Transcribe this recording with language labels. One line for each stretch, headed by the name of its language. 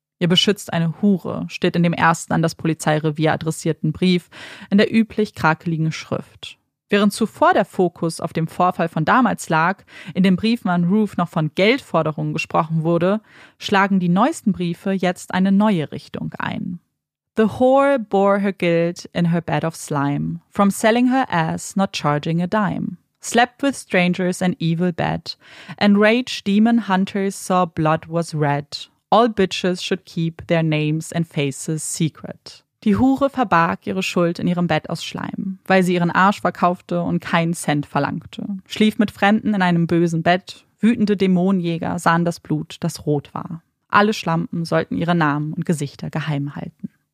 German: Ihr beschützt eine Hure, steht in dem ersten an das Polizeirevier adressierten Brief in der üblich krakeligen Schrift. Während zuvor der Fokus auf dem Vorfall von damals lag, in dem Brief an Ruth noch von Geldforderungen gesprochen wurde, schlagen die neuesten Briefe jetzt eine neue Richtung ein.
English: The whore bore her guilt in her bed of slime, from selling her ass, not charging a dime. Slept with strangers and evil bed, enraged demon hunters saw blood was red. All bitches should keep their names and faces secret.
German: Die Hure verbarg ihre Schuld in ihrem Bett aus Schleim, weil sie ihren Arsch verkaufte und keinen Cent verlangte. Schlief mit Fremden in einem bösen Bett, wütende Dämonenjäger sahen das Blut, das rot war. Alle Schlampen sollten ihre Namen und Gesichter geheim halten.